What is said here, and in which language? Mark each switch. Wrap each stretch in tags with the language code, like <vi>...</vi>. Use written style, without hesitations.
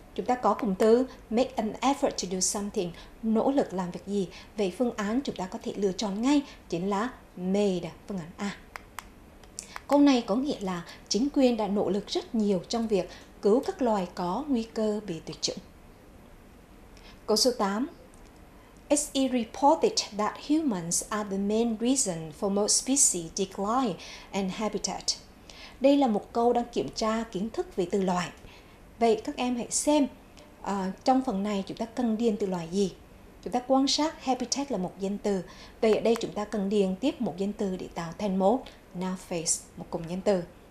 <vi>Chúng ta có cụm từ</vi> <en>make an effort to do something,</en> <vi>nỗ lực làm việc gì. Vậy phương án chúng ta có thể lựa chọn ngay chính là made, phương án A. Câu này có nghĩa là chính quyền đã nỗ lực rất nhiều trong việc cứu các loài có nguy cơ bị tuyệt chủng. Câu số 8.</vi> <en>It's reported that humans are the main reason for most species decline and habitat.</en> <vi>Đây là một câu đang kiểm tra kiến thức về từ loài. Vậy các em hãy xem trong phần này chúng ta cần điền từ loài gì. Chúng ta quan sát habitat là một danh từ. Vậy ở đây chúng ta cần điền tiếp một danh từ để tạo thành một noun phrase, một cụm danh từ.</vi>